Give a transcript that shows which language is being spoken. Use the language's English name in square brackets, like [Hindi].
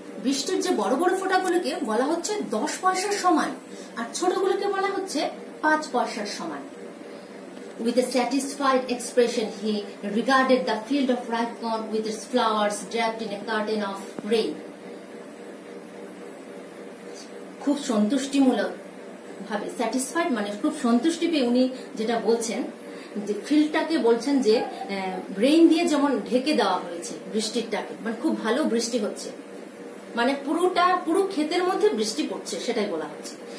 [Bangla] বৃষ্টির যে বড় বড় ফোঁটাগুলোকে বলা হচ্ছে 10 পয়সার সমান, আর ছোটগুলোকে বলা হচ্ছে 5 পয়সার সমান। [English] With a satisfied expression, he regarded the field of ripe corn with its flowers draped in a curtain of rain. [Bangla] খুব সন্তুষ্টিমূলক ভাবে, স্যাটিসফাইড মানে খুব সন্তুষ্টি পেয়ে উনি যেটা বলছেন যে ফিল্ডটাকে বলছেন যে রেইন দিয়ে যেমন ঢেকে দেওয়া হয়েছে বৃষ্টিরটাকে, মানে খুব ভালো বৃষ্টি হচ্ছে, মানে পুরোটা পুরো ক্ষেতের মধ্যে বৃষ্টি পড়ছে সেটাই বলা হচ্ছে।